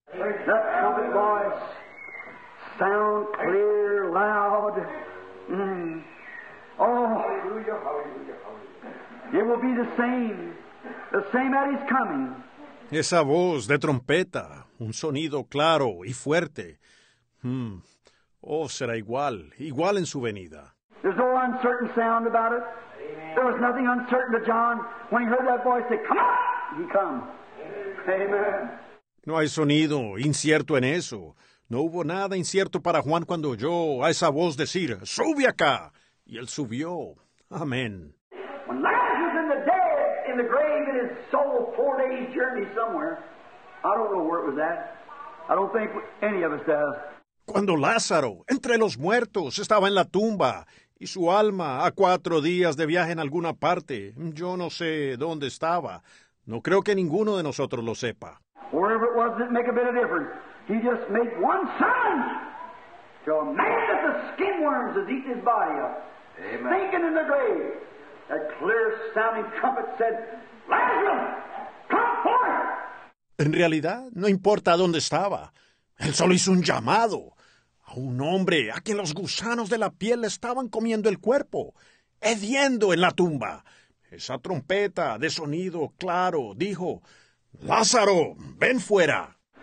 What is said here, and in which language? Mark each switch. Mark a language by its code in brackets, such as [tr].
[en] That trumpet voice sound clear, loud. Mm. Oh, hallelujah, hallelujah, hallelujah. It will be the same at his coming. [es] Esa voz de trompeta, un sonido claro y fuerte. Oh, será igual, igual en su venida. [en] There's no uncertain sound about it. Amen. There was nothing uncertain to John when he heard that voice say, "Come on!" He come. Amen. Amen. [es] No hay sonido incierto en eso. No hubo nada incierto para Juan cuando oyó a esa voz decir, "Sube acá." Y él subió. Amén. [en] When Lazarus in the dead, in the grave, in his soul, 4 days journey somewhere, I don't know where it was at. I don't think any of us does. [es] Cuando Lázaro, entre los muertos, estaba en la tumba, y su alma a 4 días de viaje en alguna parte, yo no sé dónde estaba. No creo que ninguno de nosotros lo sepa. [en] Wherever it was, it didn't make a bit of difference. He just made one sign to a man that the skin worms has eaten his body up. Amen. Stinking in the grave. That clear sounding trumpet said, "Lazarus, come forth!" [es] En realidad, no importa dónde estaba. Él solo hizo un llamado a un hombre a quien los gusanos de la piel le estaban comiendo el cuerpo, hediendo en la tumba. Esa trompeta de sonido claro dijo, ¡Lázaro, ven fuera!